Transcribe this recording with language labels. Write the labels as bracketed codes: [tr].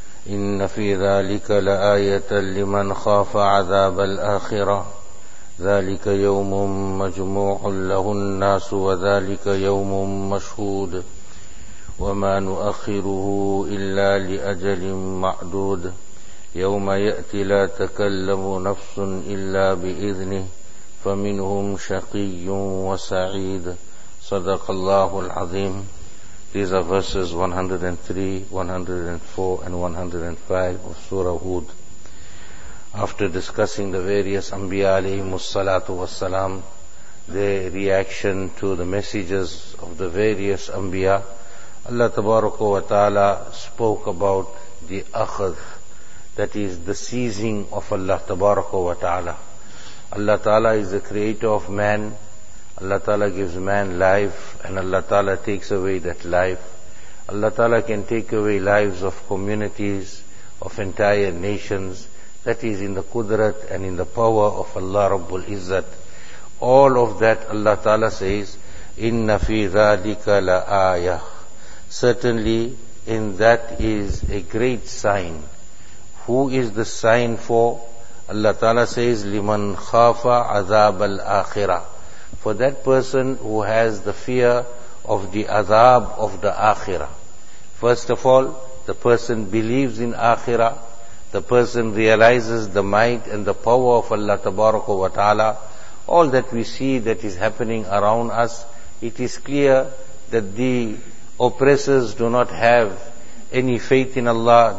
[ar] إن في ذلك لآية لمن خاف عذاب الآخرة ذلك يوم مجموع له الناس وذلك يوم مشهود وما نؤخره إلا لأجل معدود يوم يأتي لا تكلم نفس إلا بإذنه فمنهم شقي وسعيد. صدق الله العظيم. [en] These are verses 103, 104 and 105 of Surah Hud. After discussing the various Anbiya alayhimu salatu wassalam, their reaction to the messages of the various Anbiya, Allah tabaraka wa ta'ala spoke about the akhadh, that is the seizing of Allah tabaraka wa ta'ala. Allah ta'ala is the creator of man. Allah ta'ala gives man life and Allah ta'ala takes away that life. Allah ta'ala can take away lives of communities, of entire nations. That is in the qudrat and in the power of Allah Rabbul Izzat. All of that Allah ta'ala says, [ar] إِنَّ فِي ذَلِكَ لَآيَةٌ. [en] Certainly in that is a great sign. Who is the sign for? Allah ta'ala says, [ar] لِمَنْ خَافَ عَذَابَ الْآخِرَةِ. [en] For that person who has the fear of the azab of the akhirah. First of all, the person believes in akhirah. The person realizes the might and the power of Allah tabaraka wa ta'ala. All that we see that is happening around us, it is clear that the oppressors do not have any faith in Allah.